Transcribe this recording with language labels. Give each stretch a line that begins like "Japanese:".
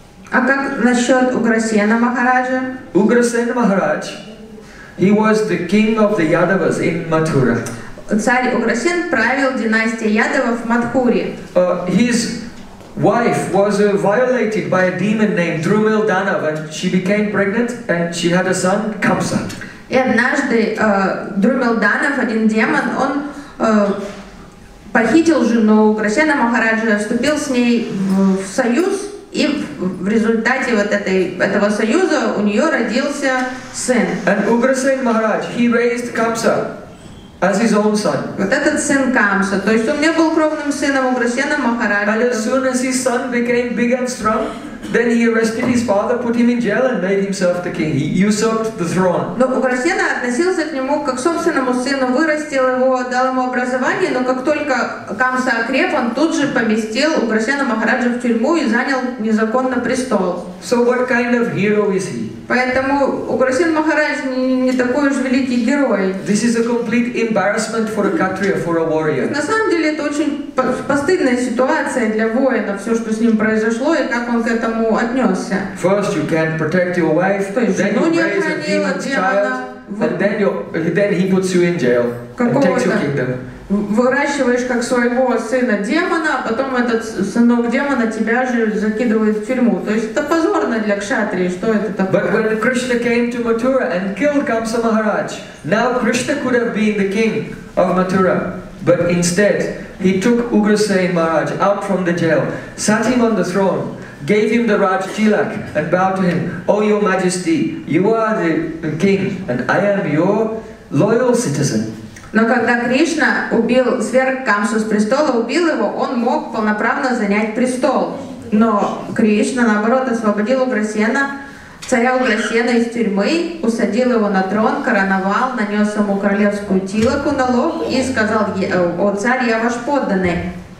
Russian: А как насчет Уграсена Махараджа?
English: Уграсен Махарадж, he was the king of the Yadavas in Mathura.
Russian: Царь Уграсен правил династией Ядавов в Матхуре.
English: His wife was violated by a demon named Drumildana, and she became pregnant, and she had a son, Камса.
Russian: И однажды Друмилданов, один демон, он похитил жену Уграсена Махараджа, вступил с ней в союз. И в результате вот этого союза у нее родился сын.
English: And Ugrasen Maharaj, he raised Kamsa as his own son.
Russian: Вот этот сын Камса, то есть он не был кровным сыном Ugrasena Maharaja.
English: And as soon as his son became big and strong, then he arrested his father, put him in jail, and made himself the king. He usurped the throne.
Russian: Но Ugrasena относился к нему как к собственному сыну, вырастил его, дал ему образование, но как только Камса окреп, он тут же поместил Ugrasena Maharaja в тюрьму и занял незаконно престол.
English: So what kind of hero is he?
Russian: Поэтому Ugrasena Maharaja не такой уж великий герой.
English: This is a complete embarrassment for a Kshatriya, for a warrior.
Russian: На самом деле это очень постыдная ситуация для воина, все, что с ним произошло и как он к этому отнесся.
English: First you can't protect your wife, then you raise a demon's child, and then he puts you in jail and takes your kingdom.
Russian: Выращиваешь как своего сына демона, а потом этот сынок демона тебя же закидывает в тюрьму. То есть это позорно для кшатрии, что это такое?
English: But when Krishna came to Mathura and killed Kamsa Maharaj, now Krishna could have been the king of Mathura, but instead he took Ugrasena Maharaj out from the jail, sat him on the throne, gave him the Raj Tilak and bowed to him, oh your majesty, you are the king and I am your loyal citizen.
Russian: Но когда Кришна убил сверг Камсу с престола, убил его, он мог полноправно занять престол. Но Кришна, наоборот, освободил Ugrasena, Царя Уграсена из тюрьмы, усадил его на трон, короновал, нанес ему королевскую тилаку на лоб и сказал: «О царь, я ваш подданный».